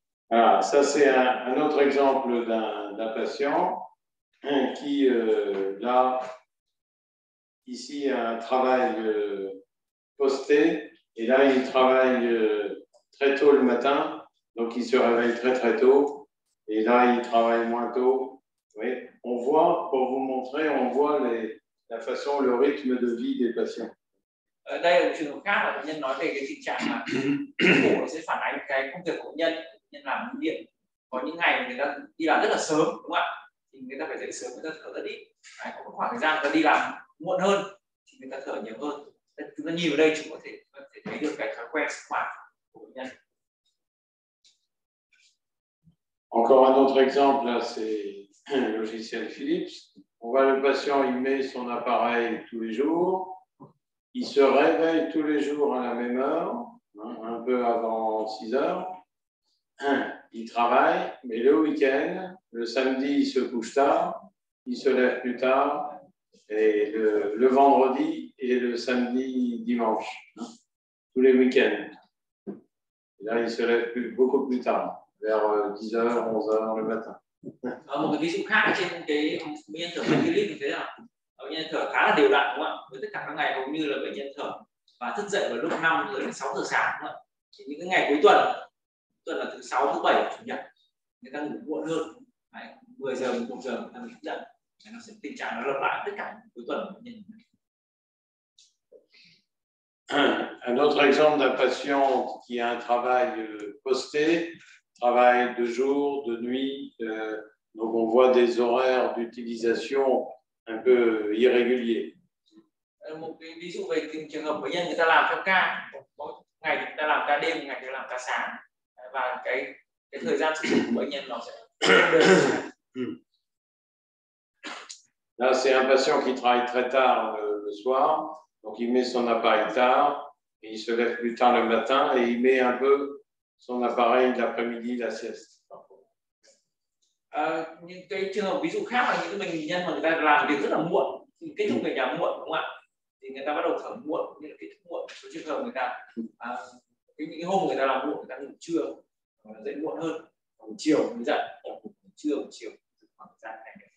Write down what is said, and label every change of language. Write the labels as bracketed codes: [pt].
[fr] Ah, ça c'est un autre exemple d'un patient qui là ici a un travail posté et là il travaille très tôt le matin, donc il se réveille très très tôt et là il travaille moins tôt. Oui, on voit pour vous montrer, on voit la façon, le rythme de vie des patients. [vi] Ở đây là một trường hợp khác là bệnh nhân nói về cái tình trạng là phổi sẽ phản ánh cái công việc của nhân làm bưu điện. Có những ngày người ta đi làm rất là sớm, đúng không ạ? Thì người ta phải dậy sớm, người ta thở rất ít. Đấy, có một khoảng thời gian người ta đi làm muộn hơn thì người ta thở nhiều hơn. Chúng ta nhìn ở đây chúng có thể thấy được cái thói quen sinh hoạt của bệnh nhân. [fr] Encore un autre exemple là c'est le logiciel Philips. On voit le patient, il met son appareil tous les jours. Il se réveille tous les jours à la même heure. un peu avant 6 heures. Il travaille, mais le week-end, le samedi, il se couche tard, il se lève plus tard, et le vendredi et le samedi, dimanche, hein, tous les week-ends. Et là, il se lève plus, beaucoup plus tard, vers 10h, 11h le matin. [vi] Một cái ví dụ khác ở trên cái bệnh nhân thở cái clip như thế nào, bệnh nhân thở khá là đều đặn đúng không ạ, với tất cả các ngày cũng như là bệnh nhân thở và thức dậy vào lúc 5 giờ đến 6 giờ sáng đúng không ạ, thì những cái ngày cuối tuần là thứ sáu, thứ bảy, chủ nhật người ta ngủ muộn hơn, 10 giờ 11 giờ người ta mới thức dậy, nó sẽ tình trạng nó lặp lại tất cả cuối tuần của bệnh nhân. [fr] Un autre exemple d'un patient qui a un travail posté, travail de jour, de nuit, donc on voit des horaires d'utilisation un peu irréguliers. [vi] Một cái ví dụ về trường hợp bệnh nhân người ta làm theo ca, ngày người ta làm ca đêm, ngày người ta làm ca sáng, và cái thời gian sử dụng của bệnh nhân nó sẽ. [fr] Là c'est un patient qui travaille très tard le soir, donc il met son appareil tard, et il se lève plus tard le matin et il met un peu son appareil d'après-midi, la sieste. [vi] Những cái trường hợp ví dụ khác là những cái bệnh nhân mà người ta làm việc rất là muộn, thì kết thúc về nhà muộn đúng không ạ? Thì người ta bắt đầu thở muộn, như là kết thúc muộn. Có trường hợp người ta những hôm người ta làm muộn, người ta ngủ trưa, hoặc là dậy muộn hơn, buổi chiều mới dậy, buổi trưa, buổi chiều khoảng thời gian này.